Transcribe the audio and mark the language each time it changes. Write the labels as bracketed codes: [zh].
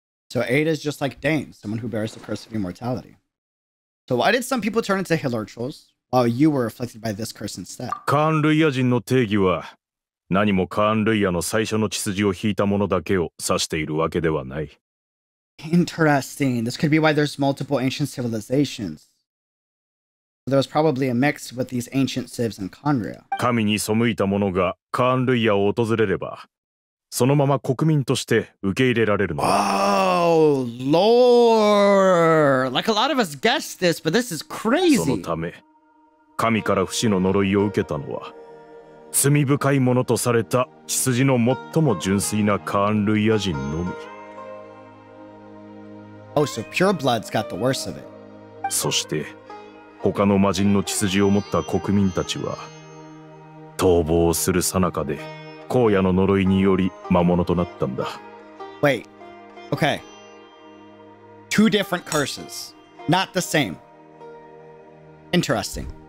[en] So Ada is just like Dain, someone who bears the curse of immortality. So why did some people turn into Hilarchals while you were afflicted by this curse instead? [ja] カーンルイア人の定義は、何もカーンルイアの最初の血筋を引いたものだけを指しているわけではない。 [en] Interesting. This could be why there's multiple ancient civilizations. There was probably a mix with these ancient civs and Khandria. [ja] 神に背いた者がカーンルイアを訪れれば、そのまま国民として受け入れられるのだ。 [en] Wow, lore! Like a lot of us guessed this, but this is crazy! [ja] そのため、神から不死の呪いを受けたのは、罪深い者とされた血筋の最も純粋なカーンルイア人のみ。 [en] Oh, so pure blood's got the worst of it. [ja] そして、他の魔人の血筋を持った国民たちは逃亡をする最中で荒野の呪いにより魔物となったんだ。 [en] Wait, okay. Two different curses, not the same. Interesting.